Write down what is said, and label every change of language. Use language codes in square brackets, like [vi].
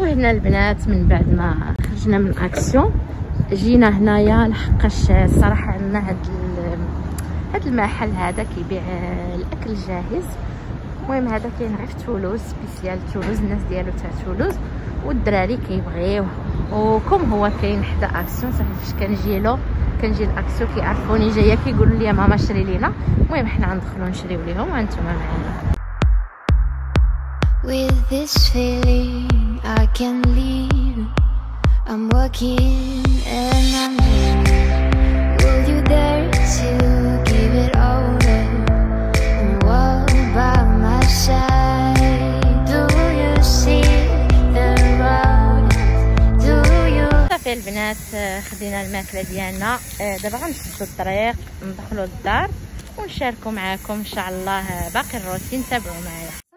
[ar] البنات من بعد ما خرجنا من اكسيون جينا هنايا لحقاش صراحه عندنا هاد المحل هذا كيبيع الاكل الجاهز. المهم هذا كاين غير في تولوز، سبيسيال تولوز، الناس ديالو تاع تولوز والدراري كيبغيوه. وكم هو كاين حدا اكسيون صافي فاش كنجي له كنجي لاكسيون كيعرفوني جايه كيقولوا لي ماما شري لينا. المهم حنا غندخلو نشريو ليهم وانتم معنا. [en] With this feeling I can leave, I'm working and I'm dreaming. Will you dare to give it all up and walk by my side? Do you see the road? Do you [ar] صافي البنات خدينا الماكلة ديالنا، دابا غنسدو الطريق ندخلو للدار ونشاركو معاكم ان شاء الله باقي الروتين. تابعو معايا.